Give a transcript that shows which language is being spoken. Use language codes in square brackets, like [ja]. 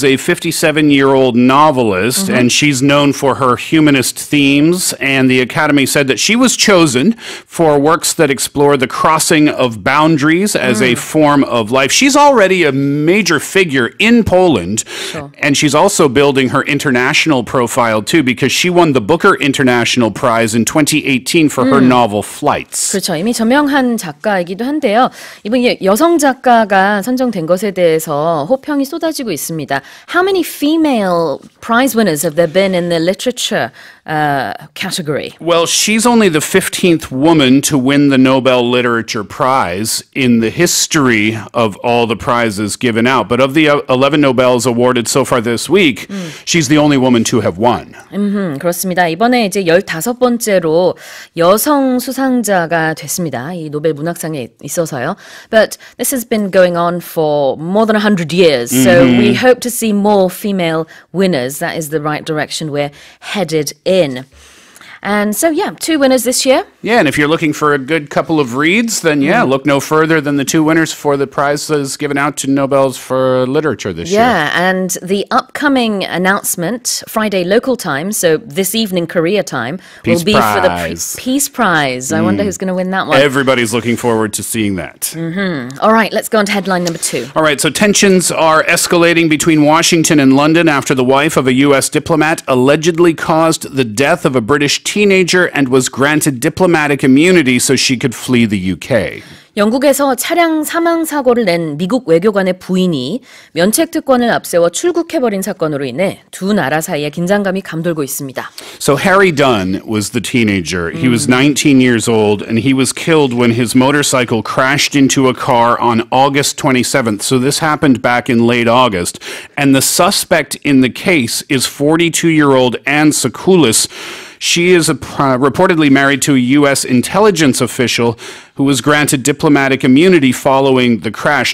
[en] is a 57-year-old novelist, mm-hmm. and she's known for her humanist themes, and the Academy said that she was chosen for works that explore the crossing of boundaries as a form of life. She's already a major figure in Poland, and she's also building her international profile, too, because she won the Booker International Prize in 2018 for her novel Flights. [ko] 그렇죠. 이미 저명한 작가이기도 한데요. 이번 여성 작가가 선정된 것에 대해서 호평이 쏟아지고 있습니다. [en] How many female prize winners have there been in the literature category? Well, she's only the 15th woman to win the Nobel Literature Prize in the history of all the prizes given out. But of the 11 Nobels awarded so far this week, she's the only woman to have won. [ko] 그렇습니다. 이번에 이제 15번째로 여성 수상자가 됐습니다. 이 노벨 문학상에 있어서요. [en] But this has been going on for more than 100 years. So we hope to see more female winners. That is the right direction we're headed in. And so, yeah, two winners this year. Yeah, and if you're looking for a good couple of reads, then yeah, look no further than the two winners for the prizes given out to Nobels for Literature this year. Yeah, and the upcoming announcement, Friday local time, so this evening Korea time, Peace will be prize. For the Peace Prize. I wonder who's going to win that one. Everybody's looking forward to seeing that. Mm-hmm. All right, let's go on to headline number two. All right, so tensions are escalating between Washington and London after the wife of a U.S. diplomat allegedly caused the death of a British teenager and was granted diplomatic immunity so she could flee the UK. [ko] 영국에서 차량 사망 사고를 낸 미국 외교관의 부인이 면책 특권을 앞세워 출국해 버린 사건으로 인해 두 나라 사이에 긴장감이 감돌고 있습니다. [en] So Harry Dunn was the teenager. He was 19 years old and he was killed when his motorcycle crashed into a car on August 27th. So this happened back in late August and the suspect in the case is 42-year-old Anne Sekulis. She is reportedly married to a U.S. intelligence official who was granted diplomatic immunity following the crash.